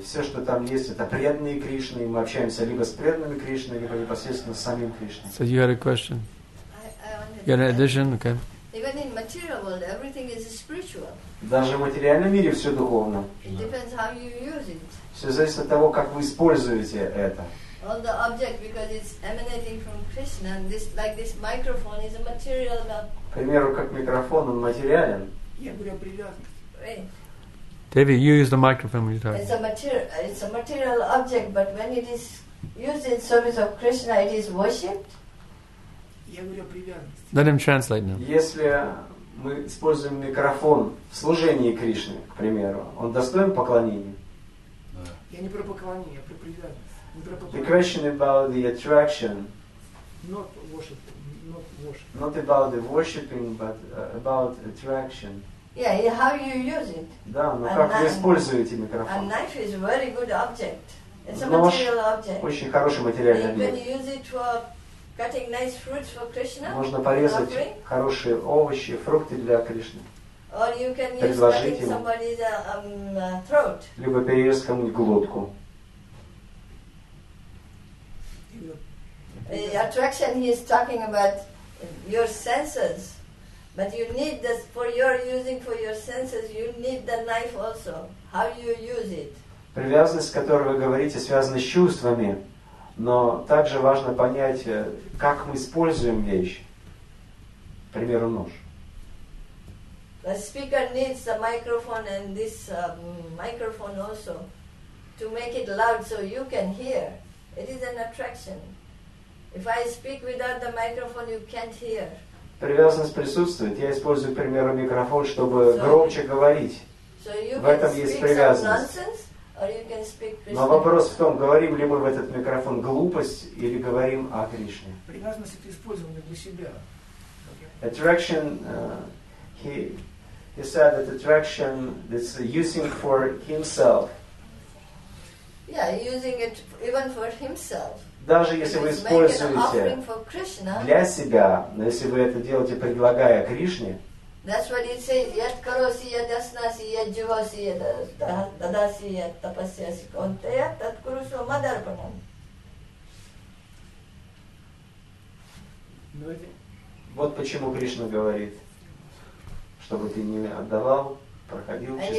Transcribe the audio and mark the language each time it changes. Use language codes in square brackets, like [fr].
[ru] Все, что там есть, это преданные Кришны, и мы общаемся либо с преданными Кришны, либо непосредственно с самим Кришной. [en] So you had a question? You had an addition? Okay. Even in material world, everything is spiritual. [ru] Даже в материальном мире все духовно. [en] It depends how you use it. [ru] Все зависит от того, как вы используете это. [en] All the object, because it's emanating from Krishna, and this, like this microphone is a material object. [ru] К примеру, как микрофон, он материален. Я говорю о привязанности. [en] Деви, you use the microphone when you talk. It's a material object, but when it is used in service of Krishna, it is worshipped. [ru] Я говорю о привязанности. [en] Let him translate now. [ru] Если мы используем микрофон в служении Кришне, к примеру, он достоин поклонения? Я не про поклонение, я про привязанность. [en] The question about the attraction. Not worshipped. Not about the worshipping, but about attraction. Yeah, how you use it. [ru] Да, но как вы используете микрофон? [en] A knife is a very good object. It's a material object. [ru] Нож очень хороший материальный объект. [en] You can use it for cutting nice fruits for Krishna. [ru] Можно порезать хорошие овощи, фрукты для Кришны. [en] Or you can use cutting somebody's throat. [ru] Либо перерезать кому-нибудь глотку. [en] Attraction, he is talking about your senses, but you need this for your using for your senses. You need the knife also. How you use it? [ru] Привязанность, о которой вы говорите, связана с чувствами, но также важно понять, как мы используем вещь. К примеру, нож. [en] The speaker needs the microphone and this microphone also to make it loud so you can hear. It is an attraction. If I speak without the microphone, you can't hear. [ru] Привязанность присутствует. Я использую, к примеру, микрофон, чтобы громче говорить. [en] So you can speak some nonsense, or you can speak Krishna. [ru] Но вопрос в том, говорим ли мы в этот микрофон глупость или говорим о Кришне. Привязанность это использование для себя. [en] Attraction, he said that attraction is using for himself. Yeah, using it even for himself. [ru] Даже если вы используете для себя, но если вы это делаете, предлагая Кришне, вот почему Кришна говорит, чтобы ты не отдавал, проходил